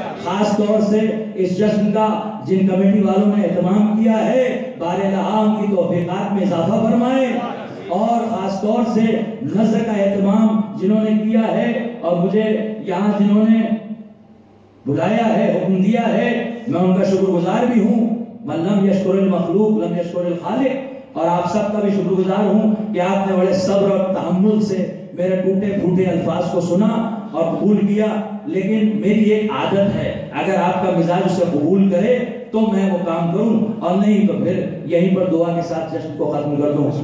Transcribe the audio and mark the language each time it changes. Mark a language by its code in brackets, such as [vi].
[ur] خاص طور سے اس جشن کا جن کمیٹی والوں نے اہتمام کیا ہے, بار الہ ان کی توفیقات میں اضافہ فرمائے. اور خاص طور سے نظر کا اہتمام جنہوں نے کیا ہے, اور مجھے یہاں جنہوں نے بلایا ہے, حکم دیا ہے, میں ان کا شکر گزار بھی ہوں. [ar] من لم یشکر المخلوق لم یشکر الخالق. [ur] اور آپ سب کا بھی شکر گزار ہوں کہ آپ نے بڑے صبر اور تحمل سے میرے ٹوٹے پھوٹے الفاظ کو سنا اور قبول کیا. لیکن میری ایک عادت ہے, اگر آپ کا مزاج اسے قبول کرے تو میں وہ کام کروں, اور نہیں تو پھر یہیں پر دعا کے ساتھ جشن کو ختم کر دوں.